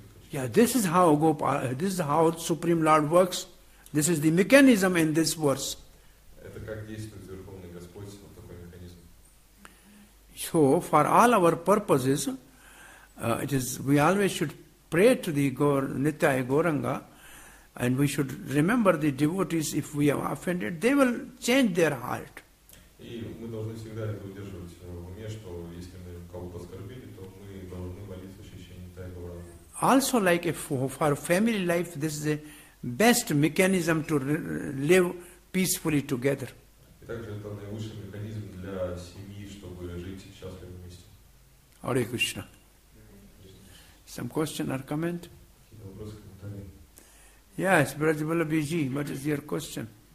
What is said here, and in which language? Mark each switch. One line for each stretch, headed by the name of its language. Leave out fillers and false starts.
English: Yeah, this is how Supreme Lord works. This is the mechanism in this verse.
Russian: Это как действует Верховный Господь, вот такой механизм.
English: So, for all our purposes, we always should pray to the Nitya Gauranga, and we should remember the devotees, if we have offended, they will change their heart.
Russian: И мы должны всегда это удерживать в уме, что если мы кого-то оскорбили, то мы должны молиться очищению Нитья Гауранга.
English: Also, like for family life, this is the best mechanism to live peacefully together.
Russian: Также это наилучший механизм для семьи, чтобы жить счастливо вместе.
English: Hare Krishna. Some question or comment? Yeah. Yes, Brother Balabhiji, what is your question?